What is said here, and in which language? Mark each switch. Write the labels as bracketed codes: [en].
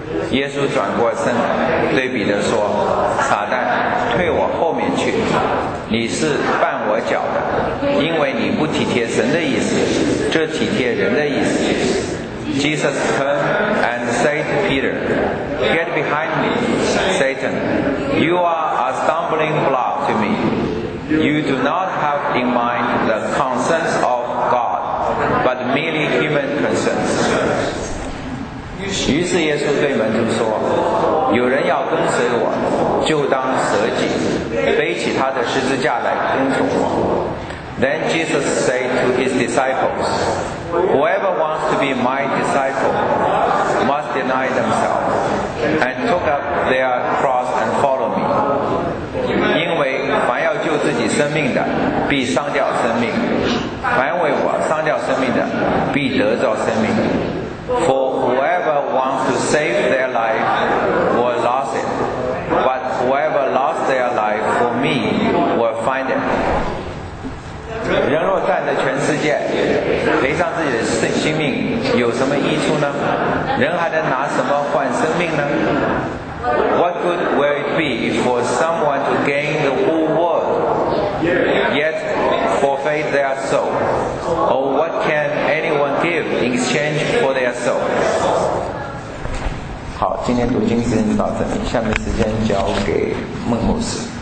[zh] 耶稣转过身对彼得说，撒旦，退我后面去，你是绊我脚的，因为你不体贴神的意思，这体贴人的意思。 [en] Jesus turned and said to Peter, Get behind me, Satan. You are a stumbling block to me. You do not have in mind the concerns of God, but merely human concerns. [zh] 于是耶稣对门徒说，有人要跟随我，就当舍己，背起他的十字架来跟从我。 [en] Then Jesus said to his disciples, Whoever wants to be my disciple must deny themselves and take up their cross and follow me. [zh] 因为凡要救自己生命的必丧掉生命，凡为我丧掉生命的必得着生命。 [en] For whoever wants to save their life will lose it, but whoever lost their life for me will find it. [zh] 人若站在全世界赔上自己的性命有什么益处呢？人还能拿什么换生命呢？ [en] What good will it be for someone to gain the whole world yet forfeit their soul? Or what can anyone give in exchange for their soul? [zh] 好，今天读经时间就到这里，下面时间交给孟牧师。